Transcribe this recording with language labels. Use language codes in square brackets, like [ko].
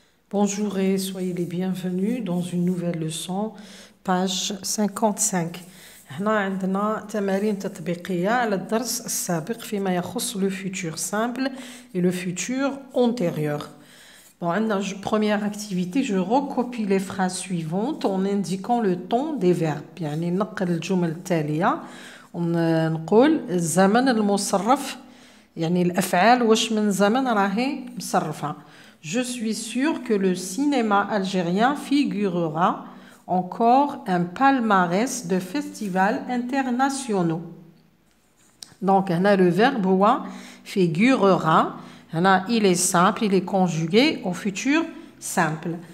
[fr] Bonjour et soyez les bienvenus dans une nouvelle leçon, page 55. [ar] هنا عندنا تمارين تطبيقية على الدرس السابق فيما يخص [fr] le futur simple et le futur antérieur. Bon, [ar] عندنا [fr] première activité, je recopie les phrases suivantes en indiquant le temps des verbes. [ar] يعني نقل الجمل التالية ونقول الزمن المصرف يعني الأفعال واش من زمن راهي مصرفة. [fr] Je suis sûre que le cinéma algérien figurera encore un palmarès de festivals internationaux. Donc, on a le verbe figurera. On a, il est simple, il est conjugué au futur simple.